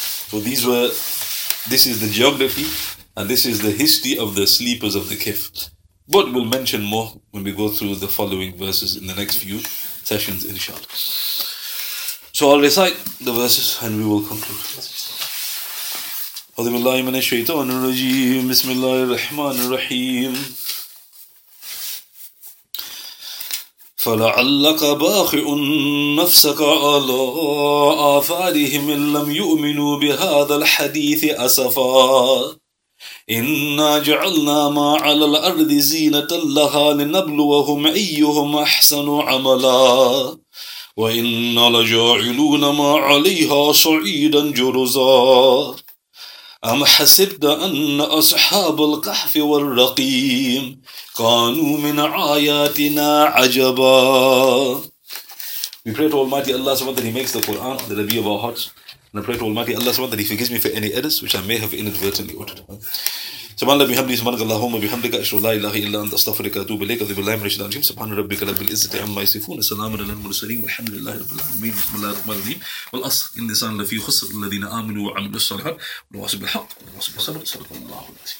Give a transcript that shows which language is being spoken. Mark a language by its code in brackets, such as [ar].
[en] So this is the geography, and this is the history of the sleepers of the Kif. But we'll mention more when we go through the following verses in the next few sessions, inshallah. So I'll recite the verses and we will conclude. [ar] أعوذ بالله من الشيطان الرجيم بسم الله الرحمن الرحيم فلعلك باخع نفسك على آثارهم إن لم يؤمنوا بهذا الحديث أسفا إنا جعلنا ما على الأرض زينة لها لنبلوهم أيهم أحسن عملا وإنا لجاعلون ما عليها صعيدا جرزا أم حسبت أن أصحاب الكهف والرقيم كانوا من آياتنا عجبا. [en] We pray to Almighty Allah so that He makes the Quran the Nabi of our hearts. And I pray to Almighty Allah so that He forgives me for any errors which I may have inadvertently uttered. [ar] سبحان الله بحمده سبحانك اللهم وبحمدك أشهد أن لا إله إلا أنت أستغفرك وأتوب إليك أعوذ بالله من الشيطان الرجيم سبحان ربك رب العزة عما يصفون وسلام على المرسلين والحمد لله رب العالمين بسم الله الرحمن الرحيم والعصر إن الإنسان لفي خسر الذين آمنوا وعملوا الصالحات ونواصي بالحق ونواصي بالصبر صدق الله العظيم.